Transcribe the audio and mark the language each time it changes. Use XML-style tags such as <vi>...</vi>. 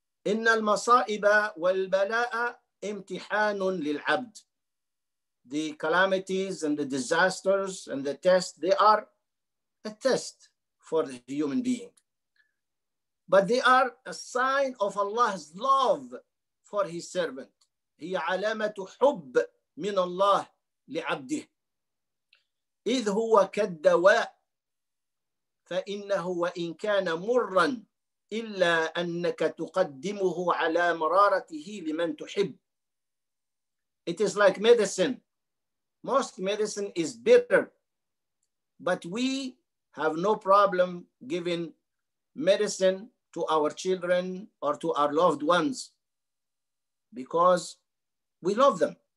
<ar>Inna al-masa'iba wal-bala'a imtihanun lil-abd.</ar> <en>The calamities and the disasters and the tests, they are a test for the human being. But they are a sign of Allah's love for His servant.</en> <ar>هي علامة حب من الله لعبده إذ هو كالدواء فإنه وإن كان مرا إلا أنك تقدمه على مرارته لمن تحب.</ar> <en>It is like medicine. Most medicine is bitter, but we have no problem giving medicine to our children or to our loved ones because we love them.</en>